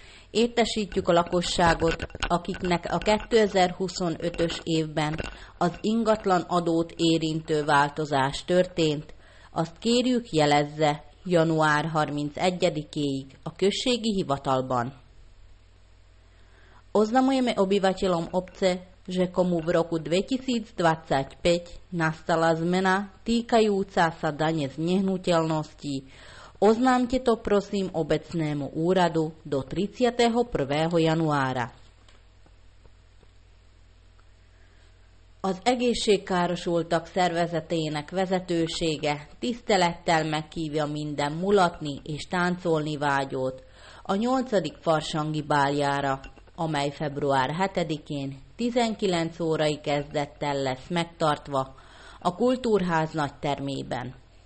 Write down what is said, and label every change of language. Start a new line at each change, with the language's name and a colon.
Hungarian: Értesítjük a lakosságot, akiknek a 2025-ös évben az ingatlan adót érintő változás történt, azt kérjük jelezze január 31-éig a községi hivatalban.
Slovak: Oznámujeme obyvateľom obce, že komu v roku 2025 nastala zmena týkajúca sa dane z nehnuteľností, oznámte to prosím obecnému úradu do 31. januára.
Hungarian: Az egészségkárosultak szervezetének vezetősége tisztelettel meghívja minden mulatni és táncolni vágyót a 8. farsangi báljára, amely február 7-én 19 órai kezdettel lesz megtartva a Kultúrház nagy termében.